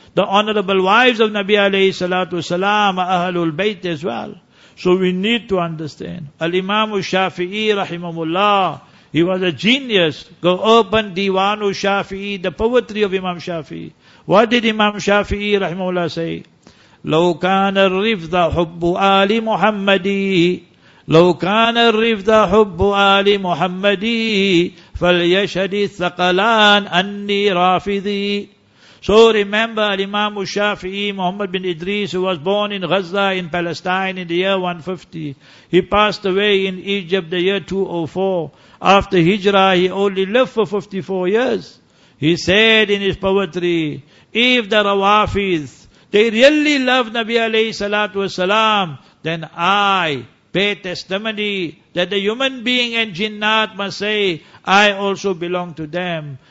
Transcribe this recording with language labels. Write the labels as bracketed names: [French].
[English] The honorable wives of Nabi alayhi salatu salam, Ahlul Bayt as well. So we need to understand. Al-Imam al-Shafi'i rahimahullah, he was a genius. Go open Diwan al-Shafi'i, the poetry of Imam Shafi'i. What did Imam Shafi'i rahimahullah say? [Arabic] لو كان الرفض حب آل محمدي لو كان الرفض حب آل محمدي فَلْيَشْهَدِ الثَّقَلَانِ أَنِّي رَافِذِي. [English] So remember, Imam al-Shafi'i, Muhammad bin Idris, who was born in Gaza in Palestine in the year 150. He passed away in Egypt the year 204. After Hijrah, he only lived for 54 years. He said in his poetry, if the Rawafidh, they really love Nabi alayhi salatu wasalam, then I bear testimony that the human being and jinnat must say, I also belong to them.